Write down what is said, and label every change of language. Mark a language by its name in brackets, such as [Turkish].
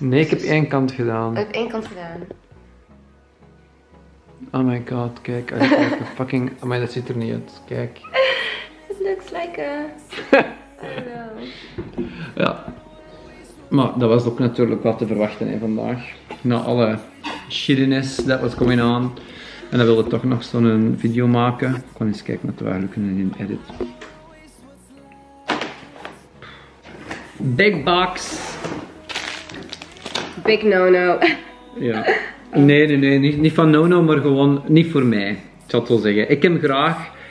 [Dutch] nee, ik heb één kant gedaan. Ik heb één kant gedaan. [English] Oh my god, kijk. Like fucking... Oh my, [Dutch] dat ziet er niet uit. Kijk. [English] It looks like a... [Dutch] Ja. Maar dat was ook natuurlijk wat te verwachten hè, vandaag. Na alle [English] shittiness that was going on. [Dutch] En dan wilde ik toch nog zo'n video maken. Ik kan eens kijken wat we eigenlijk kunnen in edit. [English] Big box. Big no-no. [Dutch] Ja. Nee. Niet van no-no, maar gewoon niet voor mij. Ik zal het zo zeggen. Ik heb graag...